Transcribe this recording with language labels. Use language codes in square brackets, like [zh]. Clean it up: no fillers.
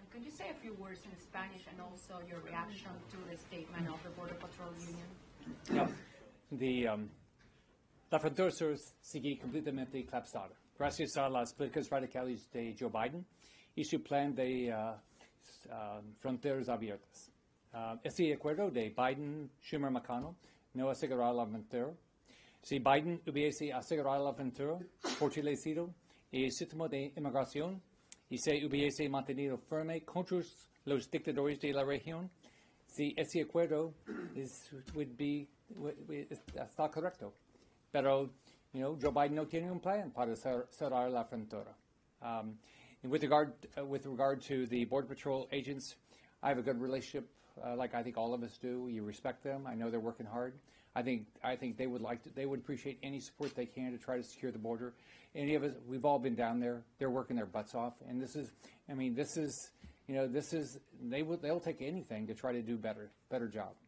[en] Say a few words in Spanish and also your reaction to the statement of the Border Patrol Union. [es] La frontera sur sigue completamente colapsada. Gracias a las políticas radicales de Joe Biden y su plan de fronteras abiertas. Este acuerdo de Biden, Schumer, McConnell no asegurará la frontera. Si Biden hubiese asegurado la frontera, fortalecido el sistema de inmigración y se hubiese mantenido firme contra los dictadores de la región, si ese acuerdo está correcto. Pero, Joe Biden no tiene un plan para cerrar la frontera. [en] With regard to the Border Patrol agents, I have a good relationship, like I think all of us do. You respect them. I know they're working hard. I think they would like to, they would appreciate any support they can to try to secure the border. Any of us, we've all been down there. They're working their butts off. And they'll take anything to try to do better job.